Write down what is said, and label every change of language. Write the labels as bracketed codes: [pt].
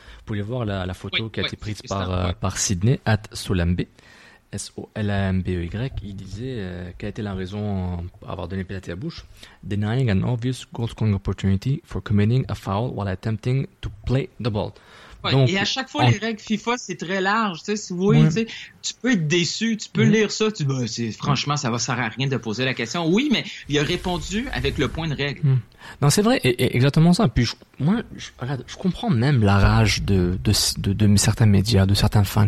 [fr] Vous pouvez voir la photo qui a été prise par Sydney, at Solambe. S-O-L-A-M-B-E-Y, il disait quelle était la raison d'avoir donné pénalité à Bush. [en] Denying an obvious goal scoring opportunity for committing a foul while attempting to play the ball. [fr] Ouais, donc, et à chaque fois, les règles FIFA, c'est très large. Tu sais, tu peux être déçu, tu peux lire ça. Franchement, ça ne va servir à rien de poser la question. Oui, mais il a répondu avec le point de règle. Non, c'est vrai, et exactement ça. Puis je comprends même la rage de certains médias, de certains fans.